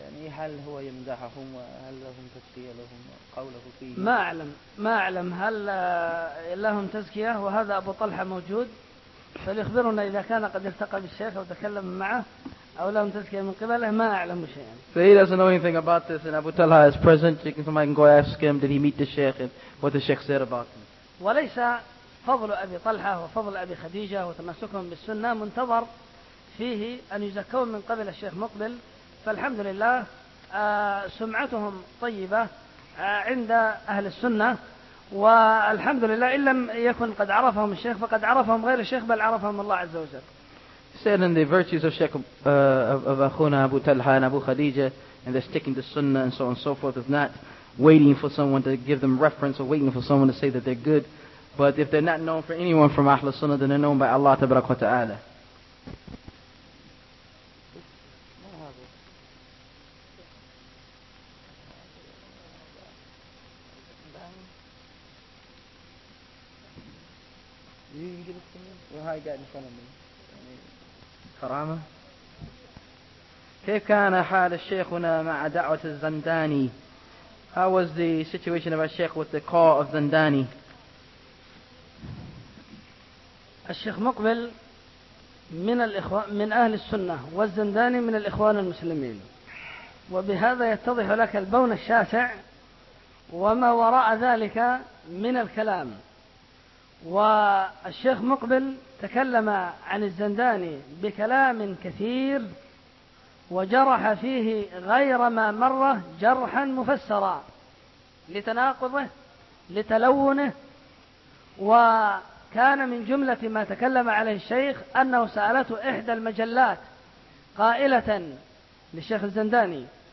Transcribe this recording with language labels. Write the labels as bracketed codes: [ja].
[ar] هل هو يمدحهم وهل لهم تزكية لهم قوله فيه؟ ما أعلم هل لهم تزكية وهذا أبو طلحة موجود فليخبرنا إذا كان قد التقى بالشيخ وتكلم معه أو لهم تزكية من قبله ما أعلم شيئا. [en] So he doesn't know anything about this and Abu Talha is present. Somebody can go ask him did he meet the Sheikh and what the Sheikh said about him. [ar] وليس فضل أبي طلحة وفضل أبي خديجة وتمسكهم بالسنة منتظر فيه أن يزكون من قبل الشيخ مقبل فالحمد لله سمعتهم طيبة عند أهل السنة والحمد لله إن لم يكن قد عرفهم الشيخ فقد عرفهم غير الشيخ بل عرفهم الله عز وجل [en] said in the virtues of Sheikh of أخونا أبو طلحة and أبو خديجة and they're sticking to sunnah and so on and so forth if not waiting for someone to give them reference or waiting for someone to say that they're good But if they're not known for anyone from Ahl al-Sunnah, then they're known by Allah Tabarak wa Ta'ala. You can get it to me? Well, how you got in front of me? Karama? [ar] كيف كان حال الشيخنا مع دعوة الزنداني? [en] How was the situation of our Sheikh with the call of Zandani? [ar] الشيخ مقبل من الإخوان من أهل السنة والزنداني من الإخوان المسلمين وبهذا يتضح لك البون الشاسع وما وراء ذلك من الكلام والشيخ مقبل تكلم عن الزنداني بكلام كثير وجرح فيه غير ما مر جرحا مفسرا لتناقضه لتلونه و كان من جملة ما تكلم عليه الشيخ أنه سألته إحدى المجلات قائلة للشيخ الزنداني